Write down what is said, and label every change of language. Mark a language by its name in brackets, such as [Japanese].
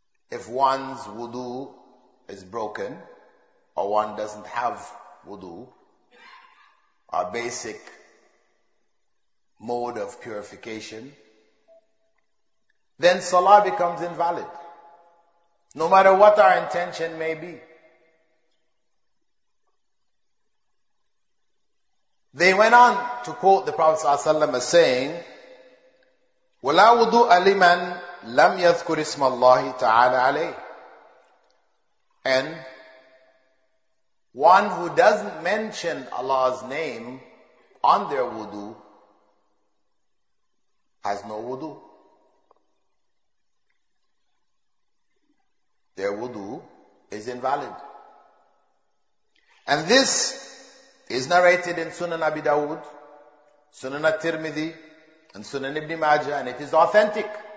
[English] If one's wudu is broken, or one doesn't have wudu, our basic mode of purification, then salah becomes invalid. No matter what our intention may be. They went on to quote the Prophet ﷺ as saying, [Arabic] وَلَا وُضُوءَ لِمَنْ لَمْ يَذْكُرِ اسْمَ اللَّهِ تَعَالَى عَلَيْهِ. [English] And one who doesn't mention Allah's name on their wudu has no wudu. Their wudu is invalid. And this is narrated in Sunan Abi Dawud, Sunan At-Tirmidhi, and Sunan Ibn Majah, and it is authentic.